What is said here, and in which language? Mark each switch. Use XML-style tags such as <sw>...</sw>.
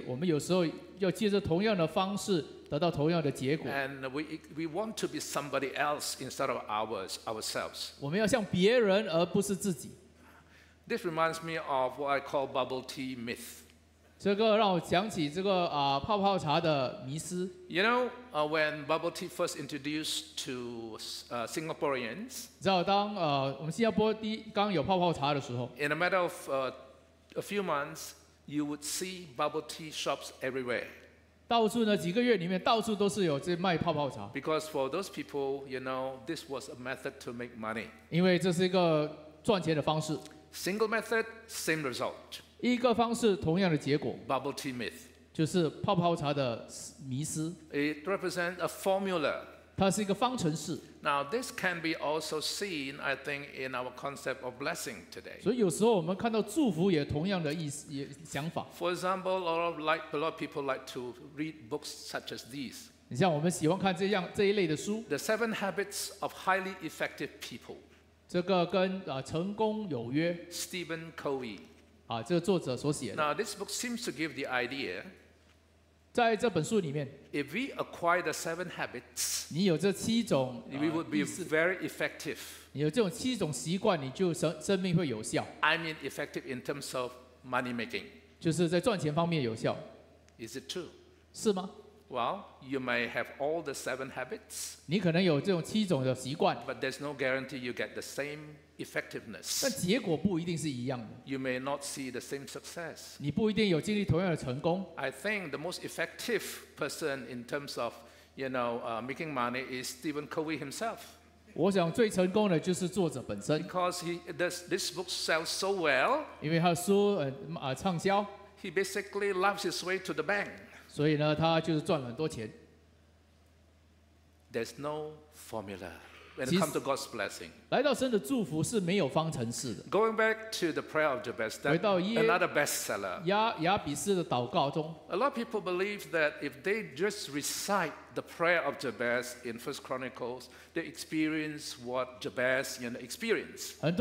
<zh>那如这样子，我们要理解，我们有时候要借着同样的方式。得到同样的结果。</zh> <en>And we want to be somebody else instead of ourselves.</en> <zh>我们要像别人而不是自己。</zh> <en>This reminds me of what I call bubble tea myth.</en> <zh>这个让我想起这个, 泡泡茶的迷思。</zh> <en>You know, when bubble tea first introduced to Singaporeans,</en> <zh>你知道当, 我们新加坡第一刚有泡泡茶的时候,</zh> <en>in a matter of a few months, you would see bubble tea shops everywhere.</en> <zh>到处呢，几个月里面到处都是有这卖泡泡茶。</zh> <en>Because for those people, you know, this was a method to make money.</en> <zh>因为这是一个赚钱的方式。</zh> <en>Single method, same result.</en> <zh>一个方式，同样的结果。</zh> <en>Bubble tea myth.</en> <zh>就是泡泡茶的迷思。</zh> <en>It represents a formula.</en> <zh>它是一个方程式。</zh> <en>Now this can be also seen, I think, in our concept of blessing today.</en> <zh>所以有时候我们看到祝福也同样的意思，也想法。</zh> <en>For example, a lot of people like to read books such as these.</en> <zh>你像我们喜欢看这样这一类的书。</zh> <en>The Seven Habits of Highly Effective People.</en> <zh>这个跟 成功有约。</zh> <en>Stephen Covey.</en> <zh>这个作者所写的。</zh> <en>Now this book seems to give the idea.</en> <zh>在这本书里面,</zh> <en>if we acquire the seven habits,</en> <zh>你有这七种,</zh> <en>we would be very effective.</en> <zh>你有这种七种习惯, 你就生命会有效。</zh> <en>I mean effective in terms of money making.</en> <zh>就是在赚钱方面有效。</zh> <en>Is it true?</en> <zh>是吗?</zh> <en>Well, you may have all the seven habits,</en> <zh>你可能有这种七种的习惯,</zh> <en>but there's no guarantee you get the same effectiveness.</en> <zh>但结果不一定是一样的。</zh> <en>You may not see the same success.</en> <zh>你不一定有经历同样的成功。</zh> <en>I think the most effective person in terms of, you know, making money is Stephen Covey himself.</en> <zh>我想最成功的就是作者本身。</zh> <en>Because this book sells so well.</en> <zh>因为他的书, 畅销。</zh> <en>He basically loves his way to the bank.</en> <zh>所以呢, 他就是赚了很多钱。</zh> <en>There's no formula. When it comes to God's blessing.</en> <zh>来到神的祝福是没有方程式的。</zh> <en>Going back to the prayer of Jabez, that another bestseller.</en> <zh>亚比斯的祷告中,</zh> <en>a lot of people believe that if they just recite the prayer of Jabez in 1 Chronicles, they experience what Jabez experienced.</en>